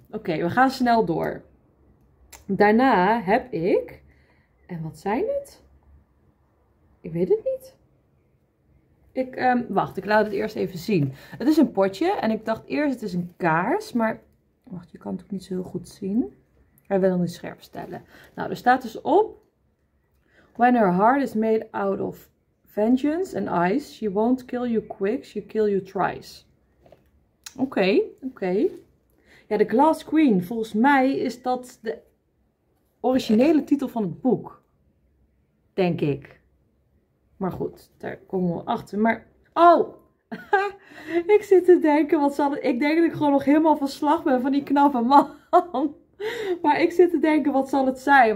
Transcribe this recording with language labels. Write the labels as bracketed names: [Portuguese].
[Dutch] Oké, we gaan snel door. Daarna heb ik. En wat zijn het? Ik weet het niet. Ik laat het eerst even zien. Het is een potje en ik dacht eerst het is een kaars, maar wacht, je kan het ook niet zo heel goed zien. Hij wil niet scherp stellen. Nou, er staat dus op. [English] When her heart is made out of vengeance and ice, she won't kill you quick, she kill you thrice. [Dutch] Oké. Ja, The Glass Queen, volgens mij is dat de originele titel van het boek, denk ik. Maar goed, daar komen we achter. Maar, oh! Ik zit te denken, wat zal het... Ik denk dat ik gewoon nog helemaal van slag ben van die knappe man. Maar ik zit te denken, wat zal het zijn?